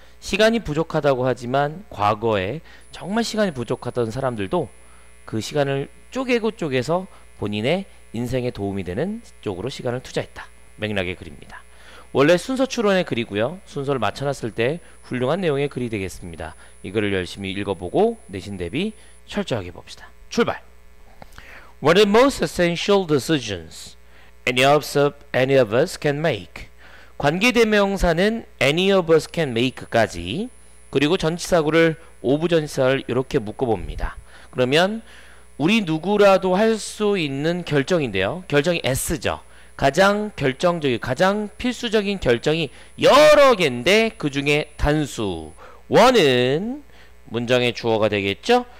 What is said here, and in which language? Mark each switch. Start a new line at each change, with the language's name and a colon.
Korean: 시간이 부족하다고 하지만 과거에 정말 시간이 부족하던 사람들도 그 시간을 쪼개고 쪼개서 본인의 인생에 도움이 되는 쪽으로 시간을 투자했다. 맥락의 글입니다. 원래 순서 추론의 글이고요. 순서를 맞춰놨을 때 훌륭한 내용의 글이 되겠습니다. 이걸 열심히 읽어보고 내신 대비 철저하게 봅시다. 출발!
English: What are the most essential decisions any of us can make?
Korean: 관계대명사는
English: any of us can make
Korean: 까지 그리고 전치사구를 오부전치사를 이렇게 묶어봅니다. 그러면 우리 누구라도 할 수 있는 결정인데요. 결정이 S죠. 가장 결정적이 가장 필수적인 결정이 여러 개인데 그 중에 단수 원은 문장의 주어가 되겠죠.